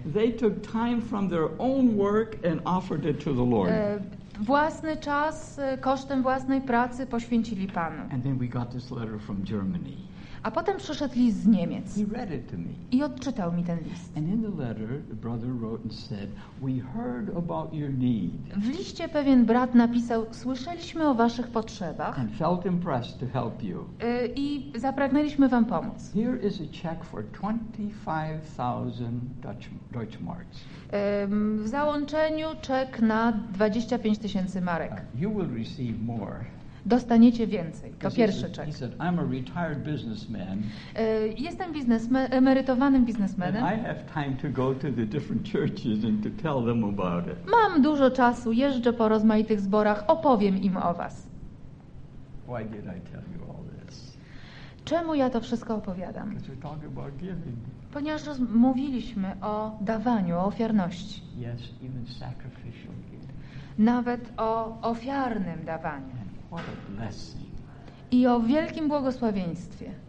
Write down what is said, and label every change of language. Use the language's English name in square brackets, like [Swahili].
[English] They took time from their own work and offered it to the Lord. [Polish] Własny czas, kosztem własnej pracy poświęcili Panu. [English] And then we got this letter from Germany. [Polish] A potem przyszedł list z Niemiec. [English] He read it to me. [Polish] I odczytał mi ten list. [English] And in the letter, the brother wrote and said, "We heard about your need." [Polish] W liście pewien brat napisał, słyszeliśmy o waszych potrzebach. [English] And felt impressed to help you. [Polish] I zapragnęliśmy wam pomóc. [English] Here is a check for 25,000 Deutschmarks. [Polish] W załączeniu czek na 25 tysięcy marek. [English] You will receive more. [Polish] Dostaniecie więcej. To pierwszy czek. [English] He said, I'm a retired businessman. [Polish] Jestem emerytowanym biznesmenem. [English] I have time to go to the different churches and to tell them about it. [Polish] Mam dużo czasu, jeżdżę po rozmaitych zborach, opowiem im o was. [English] Why did I tell you all this? [Polish] Czemu ja to wszystko opowiadam? [English] Because we're talking about giving. [Polish] Ponieważ mówiliśmy o dawaniu, o ofiarności. [English] Yes, even sacrificial giving. [Polish] Nawet o ofiarnym dawaniu. [English] What a blessing. [Polish] I o wielkim błogosławieństwie.